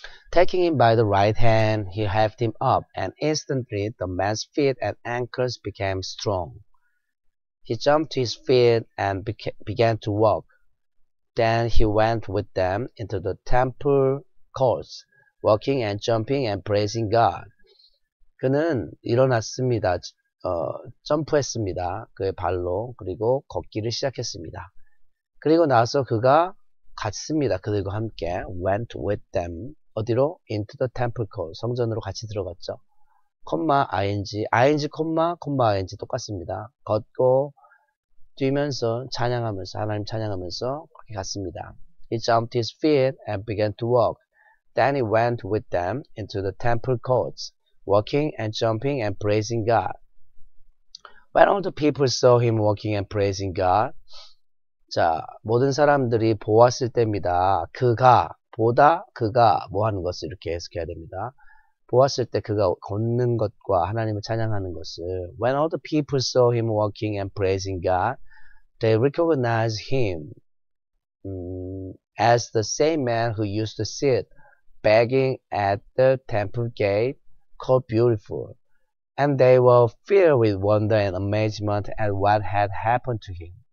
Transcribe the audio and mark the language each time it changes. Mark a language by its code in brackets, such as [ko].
[en] Taking him by the right hand, he helped him up, and instantly the man's feet and ankles became strong. He jumped to his feet and began to walk. Then he went with them into the temple courts, walking and jumping and praising God. [ko] 그는 일어났습니다. 점프했습니다. 그의 발로 그리고 걷기를 시작했습니다. 그리고 나서 그가 갔습니다. 그들과 함께 went with them 어디로? [en] into the temple court [ko] 성전으로 같이 들어갔죠. 콤마 ing ing 콤마 콤마 ing 똑같습니다. 걷고 뛰면서 찬양하면서 하나님 찬양하면서 그렇게 갔습니다. [en] He jumped his feet and began to walk. Then he went with them into the temple courts, walking and jumping and praising God. When all the people saw him walking and praising God, 자, 모든 사람들이 보았을 때입니다. [ko] 그가, 보다 그가 뭐 하는 것을 이렇게 해석해야 됩니다. 보았을 때 그가 걷는 것과 하나님을 찬양하는 것을. [en] When all the people saw him walking and praising God, they recognized him as the same man who used to sit begging at the temple gate called Beautiful. And they were filled with wonder and amazement at what had happened to him.